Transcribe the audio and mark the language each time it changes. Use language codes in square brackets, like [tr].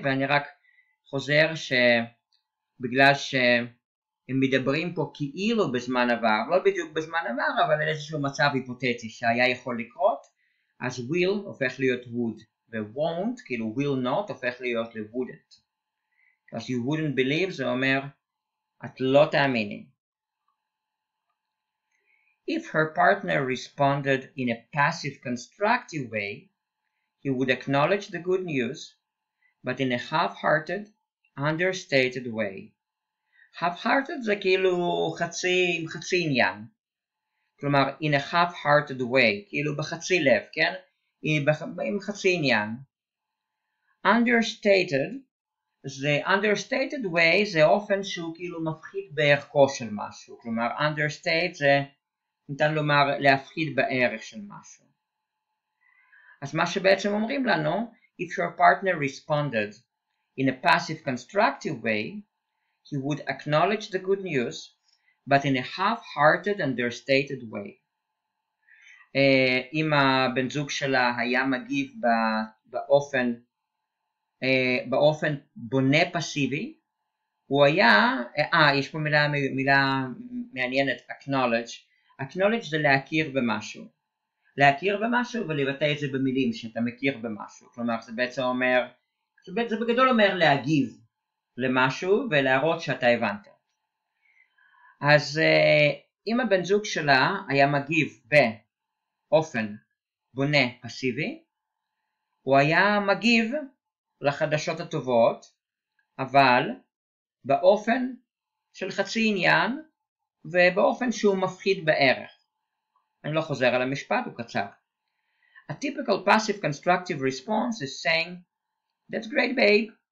[he] ואני רק חוזר שבגלל שהם מדברים פה כאילו בזמן עבר, לא בדיוק בזמן עבר, אבל איזשהו מצב היפותטי שהיה יכול לקרות, אז will הופך להיות would, ו-won't, כאילו will not, הופך להיות ל-wouldn't. אז [en] you wouldn't believe, [he] זה אומר, את לא תאמיני. [en] If her partner responded in a passive constructive way, he would acknowledge the good news, but in a half-hearted, understated way. [he] Half-hearted זה כאילו חצי, חצי עניין. כלומר, [en] in a half-hearted way, [he] כאילו בחצי לב, כן? עם חצי עניין. Understated, זה understated way, זה אופן שהוא כאילו מפחיד בערכו של משהו. כלומר, understated זה, ניתן לומר, להפחיד בערך של משהו. אז מה שבעצם אומרים לנו, [en] if your partner responded in a passive constructive way, he would acknowledge the good news, but in a half-hearted understated way. [he] אם הבן זוג שלה היה מגיב באופן באופן בונה פסיבי, הוא היה יש פה מילה מעניינת, acknowledge. Acknowledge זה להכיר במשהו. להכיר במשהו ולבטא את זה במילים שאתה מכיר במשהו. כלומר, זה בעצם אומר, זה בגדול אומר להגיב למשהו ולהראות שאתה הבנת. אז אם הבן זוג שלה היה מגיב באופן בונה פסיבי, הוא היה מגיב לחדשות הטובות, אבל באופן של חצי עניין ובאופן שהוא מפחיד בערך. אני לא חוזר על המשפט, הוא קצר. [en] A typical passive constructive response is saying, That's great, babe.